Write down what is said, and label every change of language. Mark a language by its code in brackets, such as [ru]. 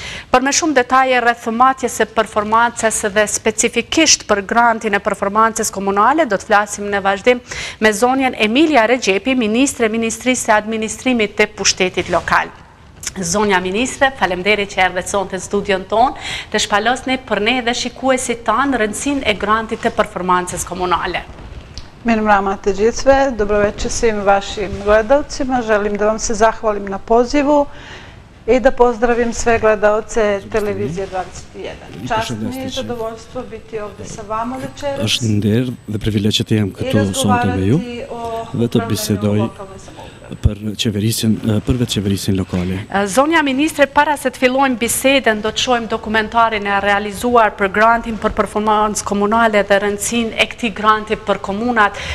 [sq] Për më shumë detaje rreth matjes së performancës dhe specifikisht për grantin e performancës komunale, do të flasim në vazhdim me zonjen Emilia Regjepi, ministre Ministrisë së Administrimit të Pushtetit Lokal. Zonja ministre, faleminderit që erdhët sonte në studion tonë, të shpalosni për ne dhe shikuesit tanë rëndësinë e grantit të performancës komunale. Mirëmbrëma të gjithëve, [bs] dobroveçë svim vashim gledalcima, želim da vam se zahvalim na pozivu I da pozdravim sve gledalce televizije 21. Čast mi je zadovoljstvo biti ovdje sa vama večeras. [sq] Është nder dhe privilegje të jem këtu sonte me ju dhe të bisedoj për vetë qeverisin lokale. Zonja ministre, para se të fillojmë bisedën, do të shohim dokumentarin e realizuar për grantin për performancë komunale dhe rëndësinë e këtij granti për komunat.